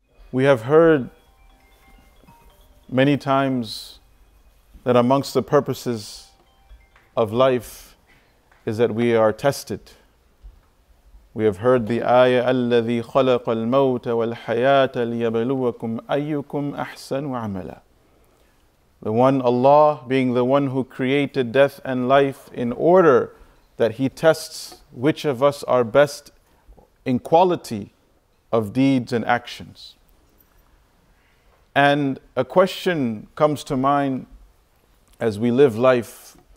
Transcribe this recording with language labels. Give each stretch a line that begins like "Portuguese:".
English: We have heard many times that amongst the purposes of life is that we are tested. We have heard the ayah,
Arabic: الَّذِي خَلَقَ الْمَوْتَ وَالْحَيَاةَ لِيَبَلُوَكُمْ أَيُّكُمْ أَحْسَنُ وَعْمَلًا.
English: The one Allah, being the one who created death and life in order that He tests which of us are best in quality of deeds and actions. And a question comes to mind as we live life.